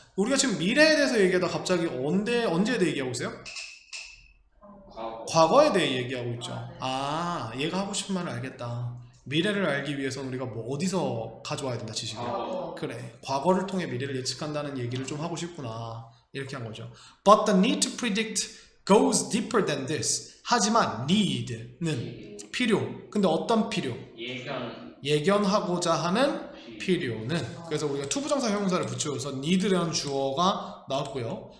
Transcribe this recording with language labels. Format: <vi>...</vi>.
<ko>우리가 지금 미래에 대해서 얘기하다 갑자기 언제에 대해 얘기하고 있어요? 과거에 대해 얘기하고 있죠. 아, 얘가 하고 싶은 말을 알겠다. 미래를 알기 위해서는 우리가 뭐 어디서 가져와야 된다, 지식을. 그래, 과거를 통해 미래를 예측한다는 얘기를 좀 하고 싶구나. 이렇게 한 거죠.</ko> <en>But the need to predict goes deeper than this.</en> <ko>하지만 need는 필요. 근데 어떤 필요? 예견하고자 하는 필요는. 그래서 우리가 투부정사 형용사를 붙여서 need라는 주어가 나왔고요.</ko>